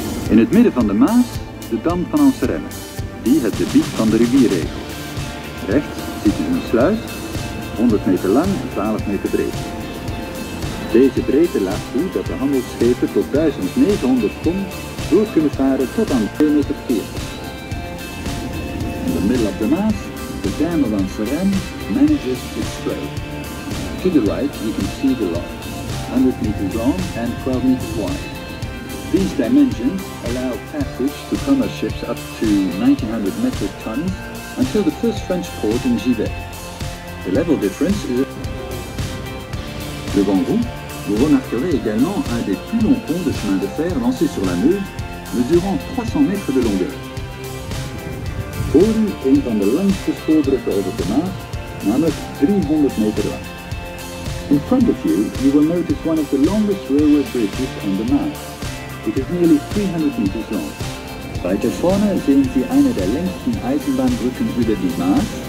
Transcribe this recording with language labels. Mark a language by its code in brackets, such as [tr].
[nl] In het midden van de Maas, de Dam van Amsterdam, die het gebied van de rivier regelt. Rechts ziet u een sluis, 100 meter lang en 12 meter breed. Deze breedte laat toe dat de handelsschepen tot 1900 ton door kunnen varen tot aan 2,40 meter. [en] In the middle of the Maas, the Dam of Amsterdam manages its sway. To the right, you can see the lock, 100 meters long and 12 meters wide. These dimensions allow passage to commerce ships up to 1900 metric tons until the first French port in Givet. The level difference is... [fr] Devant vous, vous remarquerez également un des plus longs ponts de chemin de fer lancé sur la Meuse, mesurant 300 mètres de longueur. [nl] Voren, een van de langste spoorbruggen over de Maas, namelijk 300 meter lang. [en] In front of you, you will notice one of the longest railway bridges on the Maas. It is nearly 300 meters long. [de] Weiter vorne sehen Sie eine der längsten Eisenbahnbrücken über die Maas.